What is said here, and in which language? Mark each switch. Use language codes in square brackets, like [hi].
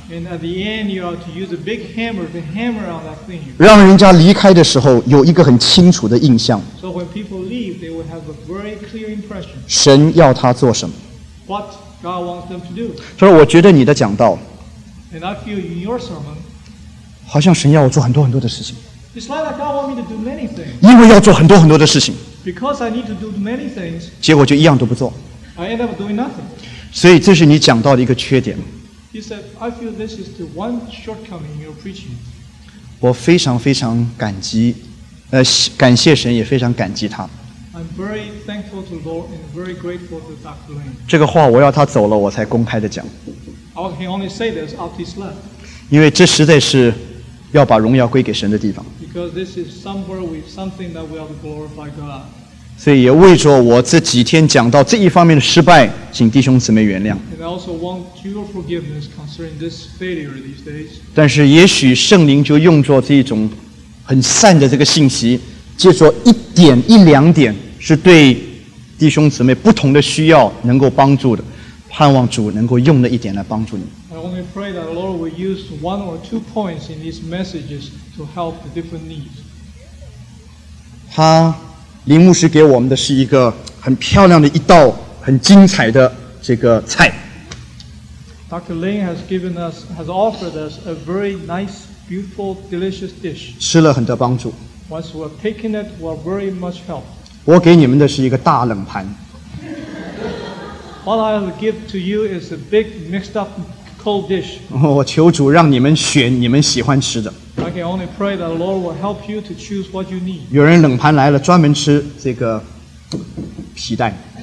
[en] And at the end, you are to use a big hammer to hammer on that theme. [zh] 让人家离开的时候有一个很清楚的印象。 [en] So when people leave, they will have a very clear impression. [zh] 神要他做什么 [en] ？What God wants them to do. [zh] 所以我觉得你的讲道。 [en] And I feel in your sermon. [zh] 好像神要我做很多很多的事情。 [en] It's like God wants me to do many things. [zh] 因为要做很多很多的事情。 [en] Because I need to do many things. [zh] 结果就一样都不做。 [en] I end up doing nothing. [zh] 所以这是你讲到的一个缺点。 [en] He said, I feel this is the one shortcoming in your preaching. [zh] 我非常非常感激，感谢神，也非常感激他。 [en] I'm very thankful to the Lord and very grateful to Dr. Lane. [zh] 这个话我要他走了，我才公开的讲。 [en] I can only say this after he's left. [zh] 因为这实在是要把荣耀归给神的地方。 [en] Because this is somewhere with something that we are to glorify God. [zh] 所以也为着我这几天讲到这一方面的失败，请弟兄姊妹原谅。 [en] And I also want your forgiveness concerning this failure these days. [zh] 但是也许圣灵就用作这种很善的这个信息，借着一点一两点是对弟兄姊妹不同的需要能够帮助的，盼望主能够用那一点来帮助你。 [en] I only pray that the Lord will use one or two points in these messages to help the different needs. [zh] 他林牧师给我们的是一个很漂亮的一道很精彩的这个菜。 [en] Dr. Lane has offered us a very nice, beautiful, delicious dish. [zh] 吃了很多帮助。 [en] Once we have taken it, we are very much helped. [zh] 我给你们的是一个大冷盘。 [en] What I will give to you is a big mixed up. [zh] 我求主让你们选你们喜欢吃的。 [en] I can only pray that the Lord will help you to choose what you need. [zh] 有人冷盘来了，专门吃这个皮蛋。